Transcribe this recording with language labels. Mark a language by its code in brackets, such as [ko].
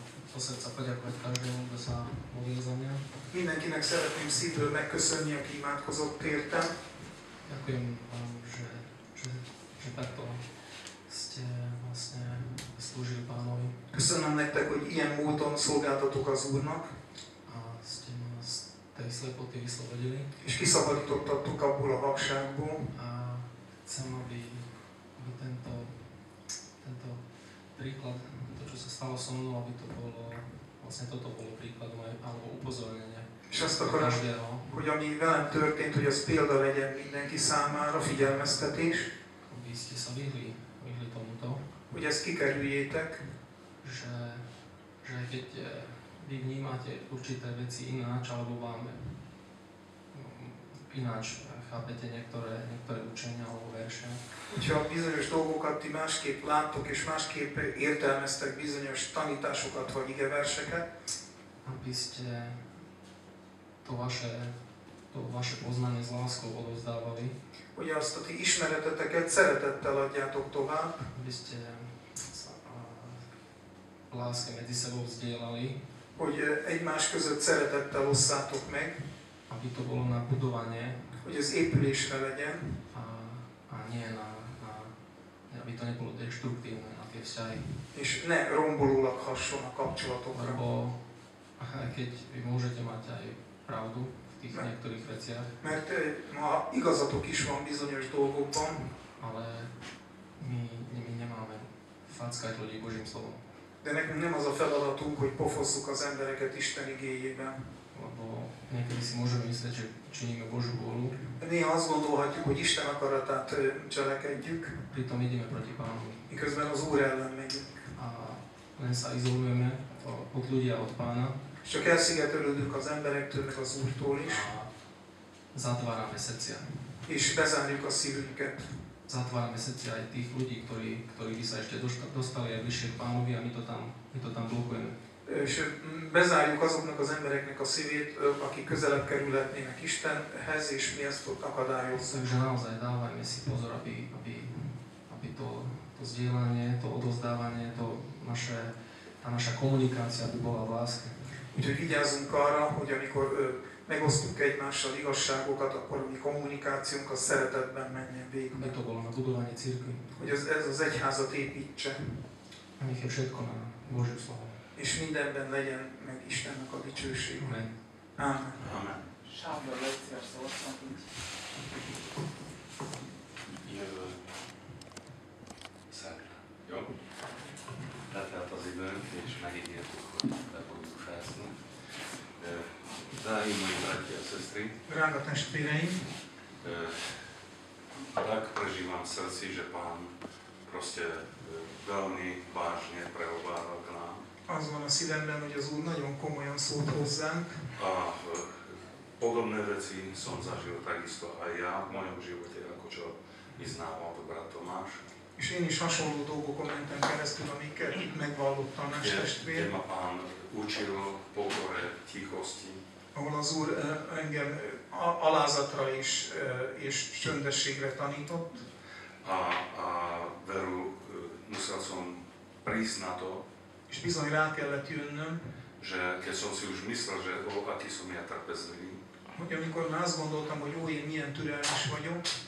[sk] Po srdca poďakovať každému, kto sa modlil za mňa. [hu] Mindenkinek szeretném szívből megköszönni, aki imádkozott értem. [sk] Ďakujem vám, že takto ste vlastne slúžili Pánovi. [hu] Köszönöm nektek, hogy ilyen módon szolgáltatok az Úrnak. [sk] A ste ma z tej slepoty vyslobodili. [hu] És kiszabadítottatok abból a vakságból. [sk] A chcem, aby tento príklad, to, čo sa stalo so mnou, aby to bolo, vlastne toto bolo príklad moje, alebo upozornenie. [hu] És azt akarom, hogy ami velem történt, hogy az példa legyen mindenki számára, figyelmeztetés. [sk] Vihli tomuto, [hu] hogy ezt kikerüljétek. [sk] Že keď vy vnímáte určité veci ináč, alebo vám ináč chápete niektoré učenia alebo verše. [hu] Hogyha bizonyos dolgokat ti másképp láttok és másképp értelmeztek bizonyos tanításokat vagy ige verseket. [sk] Abyste to vaše poznanie s láskou odovzdávali. [hu] Hogy azt a ti ismereteteket szeretettel adjátok tovább. [sk] Abyste sa láske medzi sebou vzdielali. [hu] Hogy egymás között szeretettel osszátok meg. [sk] Aby to bolo na budovanie. [hu] Hogy ez épülésre legyen. [sk] A nie na aby to nebolo destruktívne na tie vzťahy. [hu] És ne rombolólag hasson a kapcsolatokra. [sk] Lebo aj keď vy môžete mať aj pravdu v tých niektorých veciach. [hu] Mert ma igazatok is van bizonyos dolgokban. [sk] Ale my nemáme fackať ľudí Božím slovom. [hu] De nekünk nem az a feladatunk, hogy pofosszuk az embereket Isten igéjében. [sk] Lebo niekedy si môžeme myslieť, že činíme Božú vôľu. [hu] Néha azt gondolhatjuk, hogy Isten akaratát cselekedjük. [sk] Pritom ideme proti Pánu. [hu] Miközben az Úr ellen megyünk. [sk] A len sa izolujeme od ľudia, od Pána. [hu] Csak elszigetelődünk az emberektől, meg az Úrtól is. [sk] Zatvárame srdcia. [hu] És bezárjuk a szívünket. [sk] Zatvárame srdcia aj tých ľudí, ktorí by sa ešte dostali aj vyššie k Pánovi a my to tam blokujeme. [hu] És bezárjuk azoknak az embereknek a szívét, akik közelebb kerülhetnének Istenhez, és mi ezt ott akadályozzuk. [sk] Takže naozaj dávajme si pozor, aby to zdieľanie, to odozdávanie, tá naša komunikácia by bola v láske. [hu] Úgyhogy vigyázzunk arra, hogy amikor megosztjuk egymással igazságokat, akkor mi kommunikációnk a szeretetben menjen végbe. [sk] Mi to bolo na budovanie cirkvi. [hu] Hogy ez az egyházat építse. [sk] Amikor všetko na Božiu slovo. [hu] És mindenben legyen meg Istennek a dicsőség. Amen. Amen. Amen. Sábor legyszer szóltam így. Jövő. Szerda. Jó? Letelt az időnk, és megígértük, hogy be fogjuk felszínni. [sk] Zájim, mojim bratia a sestri. [hu] Drága testvéreim. [sk] Tak prežívam v srdci, že Pán proste veľmi vážne prehováral k nám. [hu] Az van a szívemben, hogy az Úr nagyon komolyan szólt hozzánk. [sk] A podobné veci som zažil takisto aj ja v mojom živote, ako čo vyznával to brat Tomáš. [hu] És én is hasonló dolgokon mentem keresztül, amiket itt megvallotta a nás testvér. [sk] Kde ma Pán učil pokore, tichosti. [hu] Ahol az Úr engem alázatra is, és csöndességre tanított. [sk] A veru musel som prísť na to, [hu] és bizony rá kellett jönnöm, [sk] že keď som si už myslel, že o, aký som ja trpezlivý, [hu] hogy amikor már azt gondoltam, hogy ó, én milyen türelmes vagyok,